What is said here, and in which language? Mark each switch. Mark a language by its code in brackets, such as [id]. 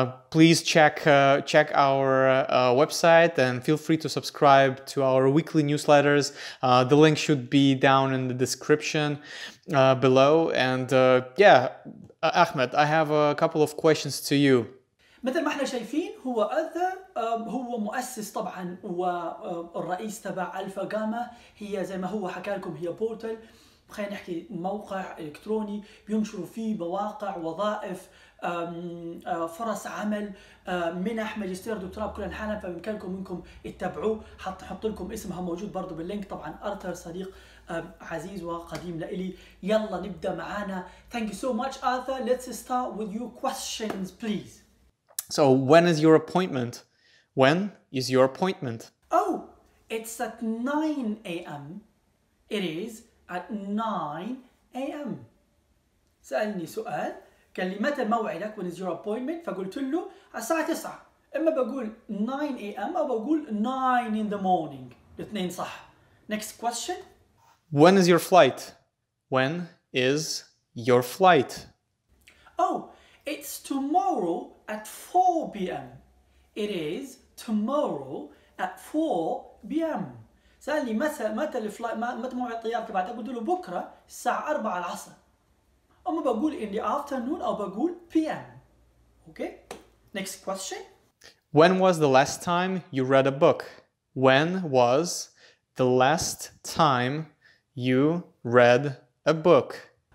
[en] Please check our website and feel free to subscribe to our weekly newsletters. The link should be down in the description below. And Ahmed, I have a couple of questions to you. [ar] مثل ما احنا شايفين هو آثر، هو مؤسس طبعا والرئيس تبع ألفا جاما. هي زي ما هو حكى لكم هي بورتل، خلينا نحكي موقع إلكتروني بينشروا فيه مواقع وظائف، فرص عمل، منح، ماجستير، دكتوراه، بكل انحاء. فبامكانكم منكم تتابعوه، حط لكم اسمها موجود برضو باللينك. طبعا آثر صديق عزيز وقديم لإلي. يلا نبدا معانا. [en] Thank you so much Arthur, let's start with your questions please. So when is your appointment? When is your appointment? Oh, it's at 9 a.m. It is at 9 a.m. [ar] سألني سؤال، قال لي متى موعدك؟ [en] When is your appointment؟ [ar] فقلت له على الساعة 9. إما بقول [en] 9 a.m. [ar] أو بقول [en] 9 in the morning. [ar] الاثنين صح. [en] Next question. When is your flight? When is your flight? Oh, it's tomorrow at 4 p.m. It is tomorrow at 4 p.m. [ar] سأل لي متى الفلايت، متى موعد الطيارة تبعتك؟ قلت له بكرة الساعة 4 العصر. أما بقول [en] in the afternoon [ar] أو بقول PM. [en] Okay, next question. When was the last time you read a book? When was the last time you read a book?